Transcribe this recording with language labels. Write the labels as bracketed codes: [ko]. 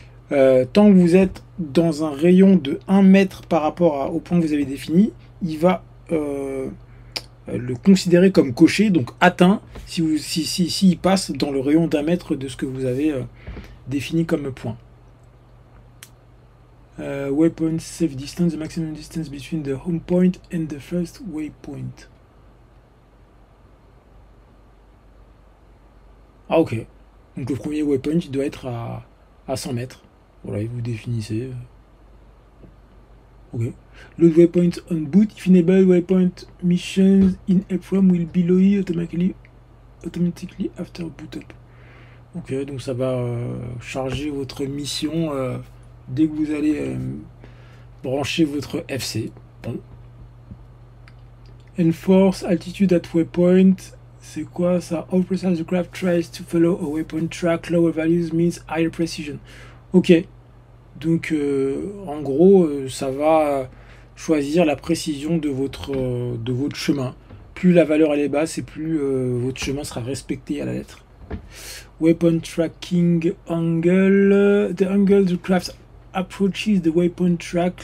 [fr] Tant que vous êtes dans un rayon de 1 mètre par rapport au point que vous avez défini, il va le considérer comme coché, donc atteint, si il passe dans le rayon d'un mètre de ce que vous avez défini comme point. [en] Waypoint safe distance, the maximum distance between the home point and the first waypoint. [fr] Ah ok, donc le premier waypoint doit être à 100 mètres. Voilà, et vous définissez. [en] Ok. Load waypoint on boot. If enabled, waypoint missions in EEPROM will be loaded automatically after boot up. [fr] Ok, donc ça va charger votre mission dès que vous allez brancher votre FC. Bon. [en] Enforce altitude at waypoint. [fr] C'est quoi ça? [en] All precise craft tries to follow a waypoint track. Lower values means higher precision. Ok. [fr] Donc, en gros, ça va choisir la précision de votre chemin. Plus la valeur elle est basse, et plus votre chemin sera respecté à la lettre. [en] Waypoint tracking angle. The angle the craft approaches the waypoint track.